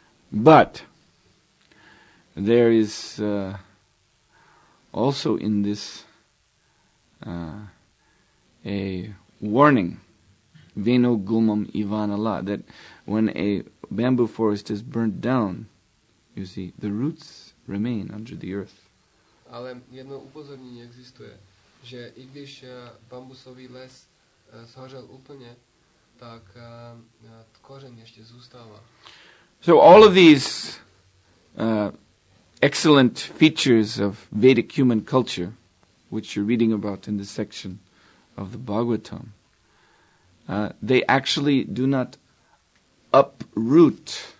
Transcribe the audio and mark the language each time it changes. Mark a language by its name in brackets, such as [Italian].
[English] But there is also in this a warning, [Sanskrit] Veno Gumam Ivanala, [English] that when a bamboo forest is burnt down, you see, the roots remain under the earth. [Czech] Ale jedno upozornění existuje, že i když bambusový les zhořel úplně, tak kořen ještě zůstává. [English] So all of these excellent features of Vedic human culture, which you're reading about in this section of the Bhagavatam, they actually do not uproot